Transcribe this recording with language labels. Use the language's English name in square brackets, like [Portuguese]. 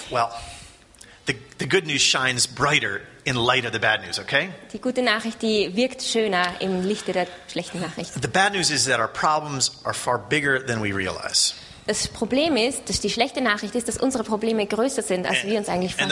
[English] Well, the good news shines brighter in light of the bad news, okay? [German] Die gute Nachricht, die wirkt schöner im Lichte der schlechten Nachricht. [English] The bad news is that our problems are far bigger than we realize. [German] Das Problem ist, dass die schlechte Nachricht ist, dass unsere Probleme größer sind, als wir uns eigentlich vorstellen.